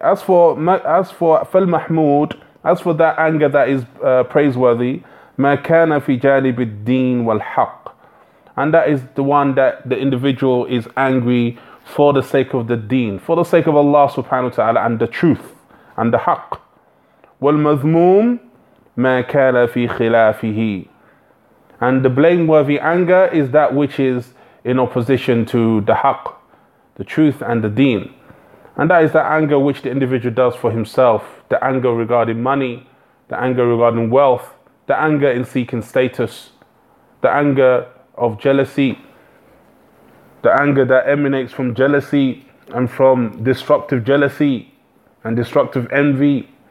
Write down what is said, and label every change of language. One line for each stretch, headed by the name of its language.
English: As for that anger that is praiseworthy,
Arabic: ما كان في جانب الدين والحق.
English: And that is the one that the individual is angry for the sake of the deen, for the sake of Allah subhanahu wa ta'ala and the truth and the haqq.
Arabic: والمذموم ما كان في خلافه.
English: And the blameworthy anger is that which is in opposition to the haqq, the truth and the deen. And that is the anger which the individual does for himself, the anger regarding money, the anger regarding wealth, the anger in seeking status, the anger of jealousy, the anger that emanates from jealousy and from destructive jealousy and destructive envy.